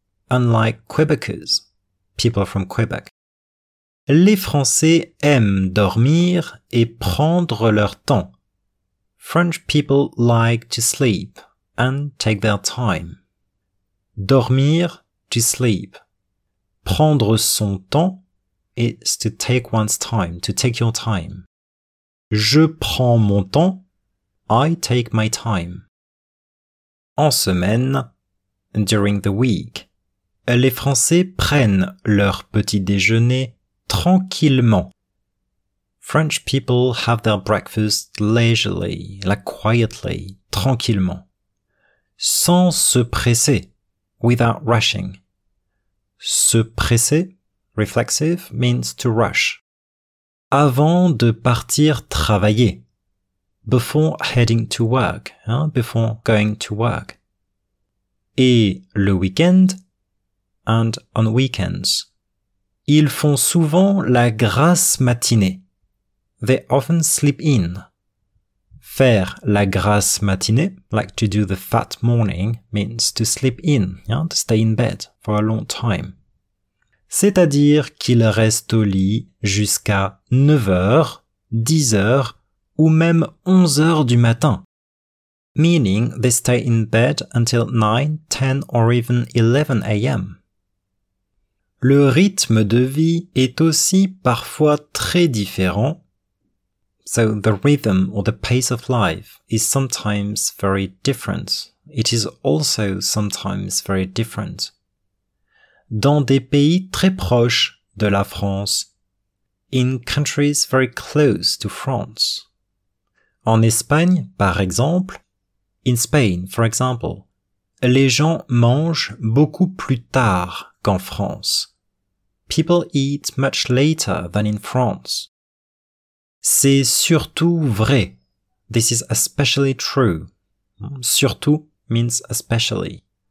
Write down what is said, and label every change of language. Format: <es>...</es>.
<en>unlike Quebecers, people from Quebec.</en> <fr>Les Français aiment dormir et prendre leur temps.</fr> <en>French people like to sleep and take their time.</en> <fr>Dormir,</fr> <en>to sleep.</en> <fr>Prendre son temps</fr> <en>is to take one's time, to take your time.</en> <fr>Je prends mon temps.</fr> <en>I take my time.</en> <fr>En semaine,</fr> <en>during the week,</en> <fr>les Français prennent leur petit déjeuner tranquillement.</fr> <en>French people have their breakfast leisurely, like quietly,</en> <fr>tranquillement. Sans se presser,</fr> <en>without rushing.</en> <fr>Se presser,</fr> <en>reflexive, means to rush.</en> <fr>Avant de partir travailler,</fr> <en>before heading to work, hein, before going to work.</en> <fr>Et le weekend,</fr> <en>and on weekends.</en> <fr>Ils font souvent la grasse matinée.</fr> <en>They often sleep in.</en> <fr>Faire la grasse matinée,</fr> <en>like to do the fat morning, means to sleep in, yeah, to stay in bed for a long time.</en> <fr>C'est-à-dire qu'il reste au lit jusqu'à 9h, 10h ou même 11h du matin.</fr> <en>Meaning they stay in bed until 9, 10 or even 11 a.m.</en> <fr>Le rythme de vie est aussi parfois très différent.</fr> <en>So the rhythm or the pace of life is sometimes very different. It is also sometimes very different.</en> <fr>Dans des pays très proches de la France,</fr> <en>in countries very close to France.</en> <fr>En Espagne, par exemple,</fr> <en>in Spain, for example,</en> <fr>les gens mangent beaucoup plus tard qu'en France.</fr> <en>People eat much later than in France.</en> <fr>C'est surtout vrai.</fr> <en>This is especially true. Surtout means especially.</en>